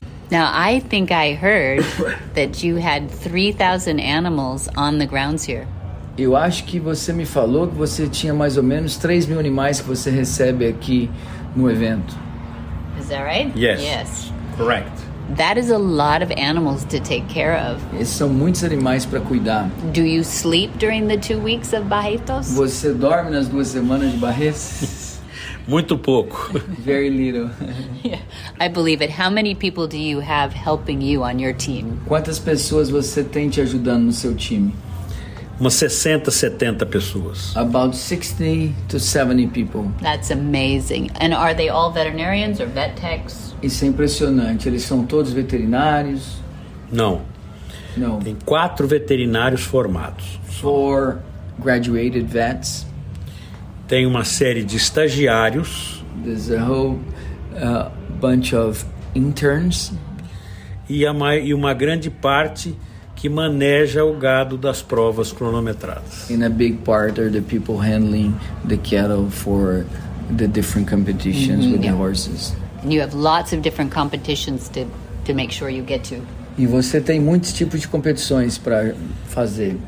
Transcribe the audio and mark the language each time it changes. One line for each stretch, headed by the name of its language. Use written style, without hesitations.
English: Now, I think I heard that you had 3,000 animals on the grounds here.
Portuguese: Eu acho que você me falou que você tinha mais ou menos 3 mil animais que você recebe aqui no evento.
English: Is that right? Yes. Yes. Correct. That is a lot of animals to take care of.
Portuguese: Esses são muitos animais para cuidar.
English: Do you sleep during the 2 weeks of Barretos?
Portuguese: Você dorme nas 2 semanas de Barretos? Muito pouco.
English: Very little. Yeah, I believe it. How many people do you have helping you on your team?
Portuguese: Quantas pessoas você tem te ajudando no seu time? Umas 60, 70 pessoas.
English: About 60 to 70 people. That's amazing. And are they all veterinarians or vet techs?
Portuguese: Isso é impressionante. Eles são todos veterinários? Não.
English: No.
Portuguese: Tem 4 veterinários formados.
English: 4 graduated vets.
Portuguese: Tem uma série de estagiários.
English: There's a whole bunch of interns.
Portuguese: E uma grande parte que maneja o gado das provas cronometradas.
English: And a big part are the people handling the cattle for the different competitions mm-hmm. with the horses. And you have lots of different competitions to make sure you get to.
Portuguese: E você tem muitos tipos de competições para fazer.